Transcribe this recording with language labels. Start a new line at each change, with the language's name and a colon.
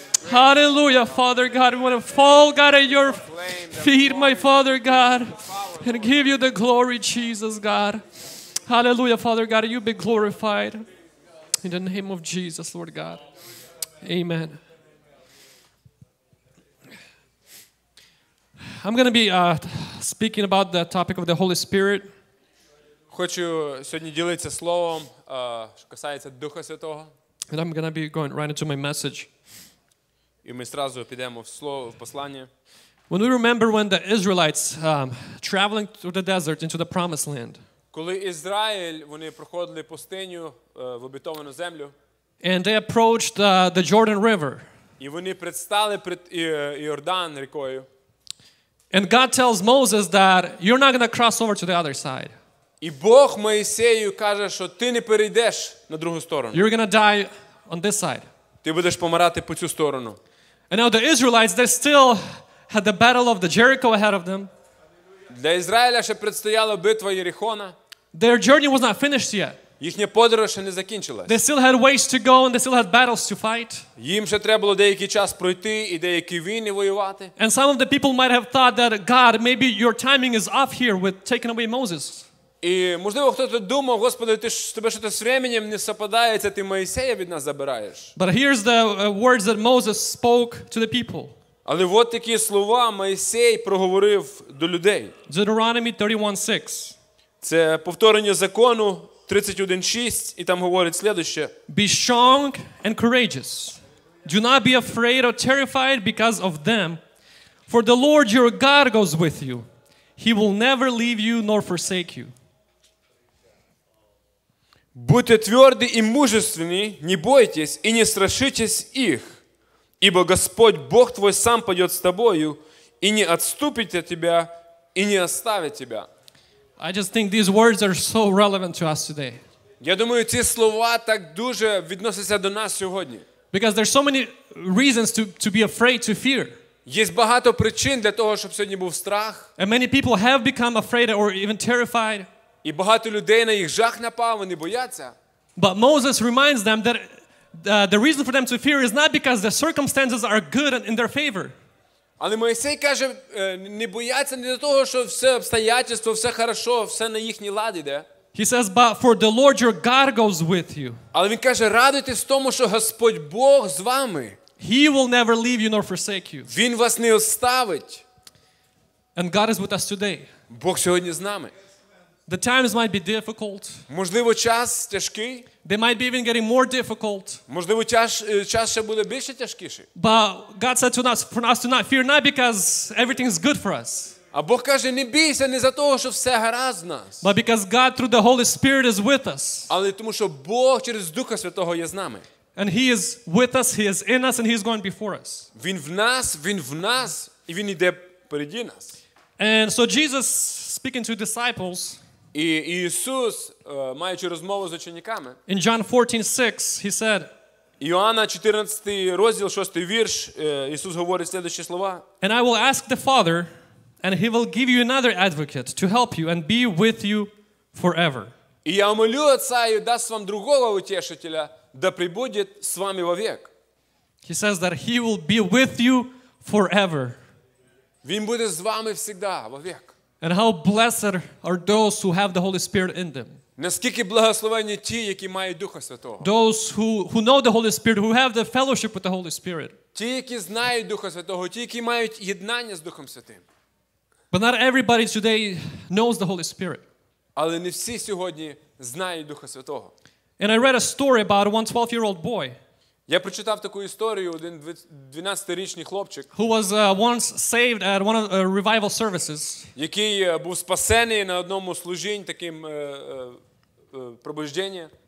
English: Hallelujah, Father God. We want to fall, God, at your feet, my Father God, and give you the glory, Jesus, God. Hallelujah, Father God, you be glorified in the name of Jesus, Lord God. Amen. I'm going to be speaking about the topic of the Holy Spirit.
Ukrainian: Хочу сьогодні ділитися словом, що касається Духа Святого.
English: And I'm going to be going right into my message.
Ukrainian: І ми зразу підемо в слово, в послання.
English: When we remember when the Israelites traveling through the desert into the promised land.
Ukrainian: Коли Ізраїль, вони проходили пустиню в обітовану землю.
English: And they approached the Jordan River.
Ukrainian: І вони предстали перед Йордан рікою.
English: And God tells Moses that you're not going to cross over to the other side.
Ukrainian: І Бог Моїсею каже, що ти не перейдеш на другу сторону.
English: You're going to die on this side.
Ukrainian: Ти будеш помирати по цю сторону.
English: And now the Israelites, they still had the battle of the Jericho ahead of them.
Ukrainian: Для Ізраїля ще предстояла битва Єрихона.
English: Their journey was not finished yet.
Ukrainian: Їхня подорож ще не закінчилась.
English: They still had ways to go and they still had battles to fight.
Ukrainian: Їм ще треба було деякий час пройти і деякі війни воювати.
English: And some of the people might have thought that God, maybe your timing is off here with taking away Moses.
Ukrainian: І, можливо, хтось думав, Господи, ти ж тебе
Russian: що-то з временем не совпадається,
Ukrainian: ти Моїсея від нас забираєш.
English: But here's the words that Moses spoke to the people.
Ukrainian: Але от такі слова Моїсей проговорив до людей.
English: Deuteronomy 31:6.
Ukrainian: Це повторення закону 31:6, і там говорить следующее.
English: Be strong and courageous. Do not be afraid or terrified because of them. For the Lord your God goes with you. He will never leave you nor forsake you.
Ukrainian: Будьте тверді і мужественні,
Russian: не бойтесь і не страшитесь
Ukrainian: їх, ібо Господь Бог твой сам пойде з тобою і не відступить від тебе і не оставить тебе.
English: I just think these words are so relevant to us today.
Ukrainian: Я думаю, ці слова так дуже відносяться до нас сьогодні.
English: Because there's so many reasons to be afraid, to fear.
Ukrainian: Є багато причин для того, щоб сьогодні був страх.
English: And many people have become afraid or even terrified.
Ukrainian: І багато людей на їх жах напав, вони бояться.
English: But Moses reminds them that the reason for them to fear is not because the circumstances are good and in their favor.
Ukrainian: Але Моїсей каже, не бояться не для того, що все обстоятельства, все хорошо, все на їхній лад іде.
English: He says, but for the Lord your God goes with you.
Ukrainian: Але він каже, радуйтесь тому, що Господь Бог з вами.
English: He will never leave you nor forsake you.
Ukrainian: Він вас не оставить.
English: And God is with us today.
Ukrainian: Бог сьогодні з нами.
English: The times might be difficult.
Ukrainian: Можливо, час тяжкий.
English: They might be even getting more difficult.
Ukrainian: Можливо, час ще буде більше тяжкіший.
English: But God said for us to not fear, not because everything is good for us.
Ukrainian: А Бог каже, не бійся не за того, що все гаразд в нас.
English: But because God through the Holy Spirit is with us.
Ukrainian: Але тому, що Бог через Духа Святого є з нами.
English: And He is with us, He is in us, and He is going before us.
Ukrainian: Він в нас, і Він іде переді нас.
English: And so Jesus, speaking to disciples,
Ukrainian: і Ісус, маючи розмову з учениками,
English: in John 14:6, he said,
Ukrainian: Іоанна 14 розділ, 6 вірш, Ісус говорить следующі слова,
English: and I will ask the Father, and he will give you another advocate to help you and be with you forever.
Ukrainian: І я умолю Отця, і дасть вам другого утішителя,
Russian: да прибудет с вами вовек.
English: He says that he will be with you forever.
Ukrainian: Він буде з вами всегда, вовік.
English: And how blessed are those who have the Holy Spirit in them.
Ukrainian: Наскільки благословені ті, які мають Духа Святого.
English: Those who know the Holy Spirit, who have the fellowship with the Holy Spirit.
Ukrainian: Ті, які знають Духа Святого, ті, які мають єднання з Духом Святим.
English: But not everybody today knows the Holy Spirit.
Ukrainian: Але не всі сьогодні знають Духа Святого.
English: And I read a story about one 12-year-old boy.
Ukrainian: Я прочитав таку історію, один 12-річний хлопчик,
English: who was once saved at one of the revival services.
Ukrainian: Який був спасений на одному служінь таким пробуждення.